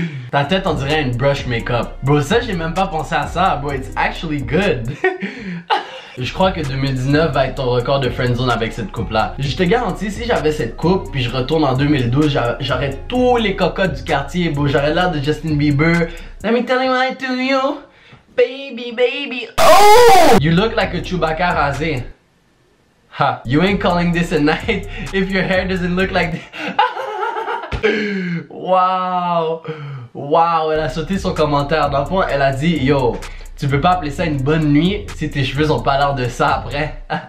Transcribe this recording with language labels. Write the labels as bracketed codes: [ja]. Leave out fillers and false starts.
[fr] Ta tête, on dirait une brush make-up. Bro, ça, j'ai même pas pensé à ça. Bro, [en] it's actually good. [fr] Et je crois que 2019 va être ton record de friendzone avec cette coupe-là. Je te garantis, si j'avais cette coupe, puis je retourne en 2012, j'aurais tous les cocottes du quartier, bon, j'aurais l'air de Justin Bieber. [en] Let me tell you what I do to you. Baby, baby. Oh! You look like a Chewbacca rasé. Ha. You ain't calling this a night if your hair doesn't look like this. Wow! [fr] Wow, elle a sauté son commentaire. Dans le fond, elle a dit, yo, tu peux pas appeler ça une bonne nuit si tes cheveux ont pas l'air de ça après.